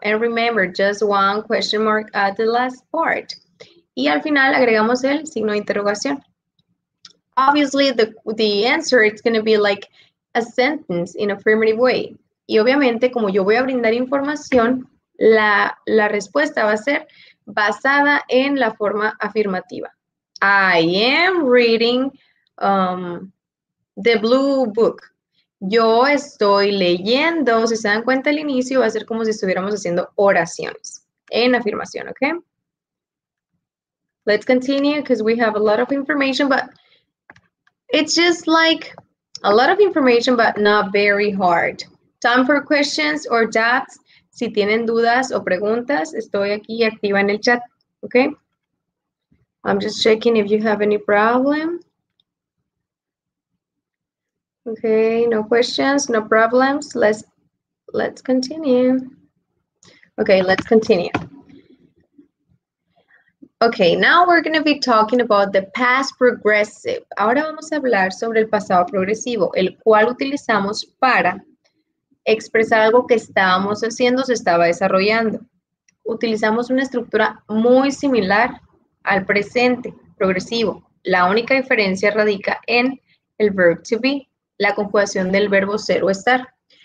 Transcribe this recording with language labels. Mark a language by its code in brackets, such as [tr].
[en] And remember, just one question mark at the last part. [es] Y al final agregamos el signo de interrogación. [en] Obviously, the answer is going to be like a sentence in affirmative way. [es] Y obviamente, como yo voy a brindar información, la respuesta va a ser basada en la forma afirmativa. [en] I am reading the blue book. [es] Yo estoy leyendo, si se dan cuenta, al inicio va a ser como si estuviéramos haciendo oraciones en afirmación, ¿ok? [en] Let's continue because we have a lot of information, but it's just like a lot of information, but not very hard. Time for questions or doubts. [es] Si tienen dudas o preguntas, estoy aquí activa en el chat, ¿ok? [en] I'm just checking if you have any problem. Okay, no questions, no problems. Let's continue. Okay, let's continue. Okay, now we're going to be talking about the past progressive. [es] Ahora vamos a hablar sobre el pasado progresivo, el cual utilizamos para expresar algo que estábamos haciendo, se estaba desarrollando. Utilizamos una estructura muy similar al presente progresivo. La única diferencia radica en el verb to be, la conjugación del verbo ser o estar.